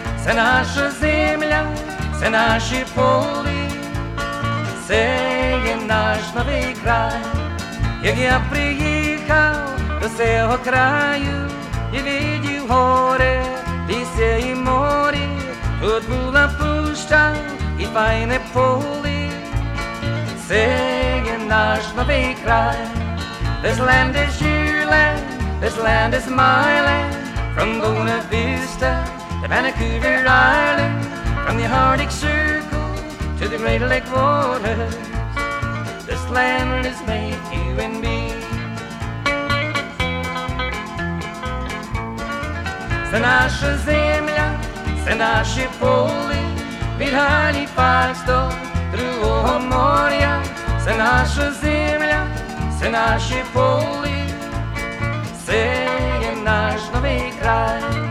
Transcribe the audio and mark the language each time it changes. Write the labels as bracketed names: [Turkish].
[Ukrainian] Це наша земля, це наші полі, це є наш новий край. Як я приїхав до цього краю і видів горе, лісі і морі, тут була пуща і файне полі. Це є наш новий край. [English] This land is your land, this land is my land. From Buena Vista to Vancouver Island, from the Arctic Circle to the Great Lake waters, this land is made you and me. [Ukrainian] Це наша земля, це наші полі, від Галіфакс до другого моря. Це наша земля, це наші полі, це є наш новий край.